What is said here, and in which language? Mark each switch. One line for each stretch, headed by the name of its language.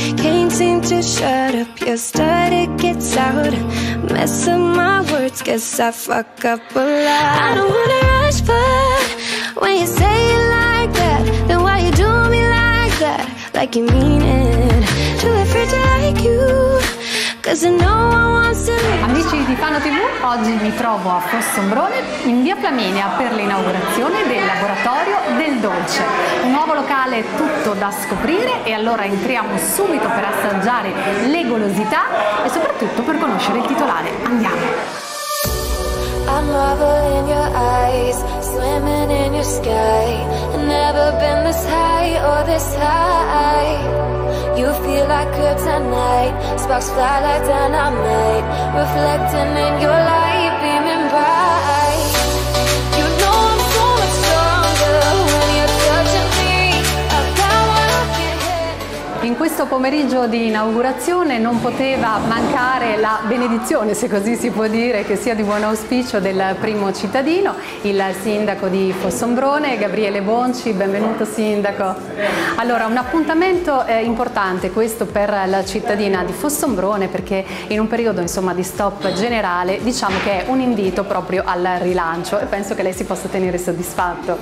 English: Can't seem to shut up, your static gets out. Mess up my words, guess I fuck up a lot. I don't wanna rush, but when you say it like that, then why you do me like that? Like you mean it, too afraid to like you.
Italian: Amici di Fano TV, oggi mi trovo a Fossombrone in via Flaminia per l'inaugurazione del Laboratorio del Dolce. Un nuovo locale tutto da scoprire e allora entriamo subito per assaggiare le golosità e soprattutto per conoscere il titolare. Andiamo!
English: I'm in your eyes, swimming in your sky. Never been this high or this high. You feel like kryptonite, sparks fly like dynamite, reflecting in your light, beaming bright. You know I'm so much stronger when you're touching me. I've got what I can hit.
Italian: In questo pomeriggio di inaugurazione non poteva mancare la benedizione, se così si può dire, che sia di buon auspicio del primo cittadino, il sindaco di Fossombrone, Gabriele Bonci. Benvenuto sindaco. Allora, un appuntamento importante questo per la cittadina di Fossombrone, perché in un periodo insomma di stop generale, diciamo che è un invito proprio al rilancio e penso che lei si possa tenere soddisfatto.